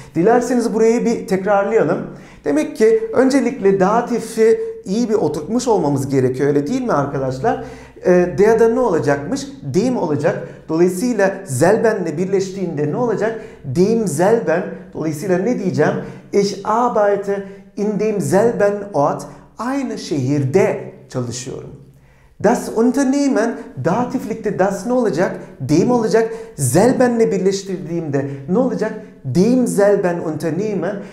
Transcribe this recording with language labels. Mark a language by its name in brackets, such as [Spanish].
[Turkish] Dilerseniz burayı bir tekrarlayalım. Demek ki öncelikle datifi iyi bir oturtmuş olmamız gerekiyor, öyle değil mi arkadaşlar? Der da ne olacakmış? Dem olacak. Dolayısıyla selbenle birleştiğinde ne olacak? [German] Dem selben. [Turkish] Dolayısıyla ne diyeceğim? [German] Ich arbeite in dem selben Ort. [Turkish] Aynı şehirde çalışıyorum. Das Unternehmen, datiflikte das ne olacak? Dem olacak. Selbenle birleştirdiğimde ne olacak? [German] Dem selben Unternehmen.